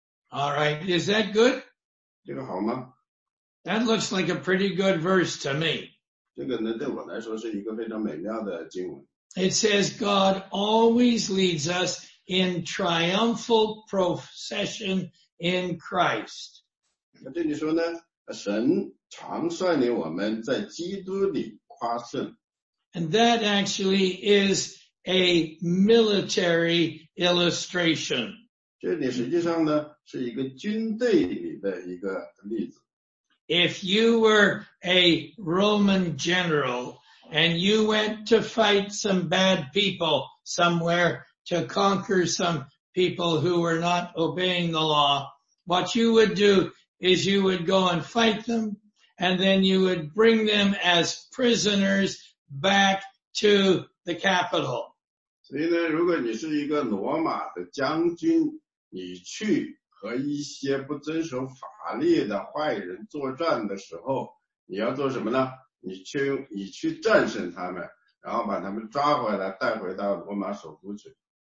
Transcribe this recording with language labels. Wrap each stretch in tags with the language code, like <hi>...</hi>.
<en>All right, is that good?</en> <zh>这个好吗？</zh> <en>That looks like a pretty good verse to me.</en> <zh>这个呢，对我来说是一个非常美妙的经文。</zh> <en>It says God always leads us in triumphal procession in Christ.</en> <zh>那这里说呢，神常率领我们在基督里夸胜。</zh> <en>And that actually is a military illustration.</en> <zh>这里实际上呢，是一个军队里的一个例子。</zh> <en>If you were a Roman general and you went to fight some bad people somewhere, to conquer some people who were not obeying the law, what you would do is you would go and fight them, and then you would bring them as prisoners back to the capital.</en> <zh>所以呢，如果你是一个罗马的将军，你去和一些不遵守法律的坏人作战的时候，你要做什么呢？你去战胜他们，然后把他们抓回来，带回到罗马首都去。</zh>